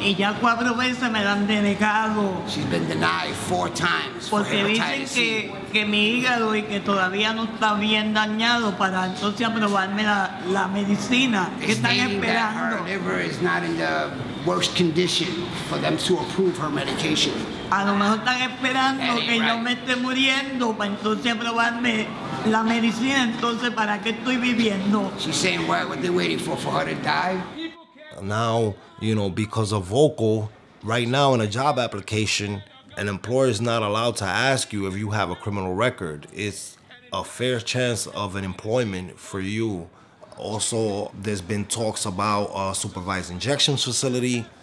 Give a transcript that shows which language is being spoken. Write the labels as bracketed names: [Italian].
[Spanish] Y ya cuatro veces me la han denegado. [English] She's been denied four times. [Spanish] Porque dicen que mi hígado y que todavía no está bien dañado para entonces aprobarme la medicina. ¿Qué están esperando? [English] Her liver is not in the worst condition for them to approve her medication. [Spanish] A lo mejor están esperando que yo me esté muriendo para entonces aprobarme la medicina, entonces ¿para qué estoy viviendo? [English] She's saying, what are they waiting for her to die? Now, you know, because of vocal, right now in a job application, an employer is not allowed to ask you if you have a criminal record. It's a fair chance of an employment for you. Also, there's been talks about a supervised injection facility.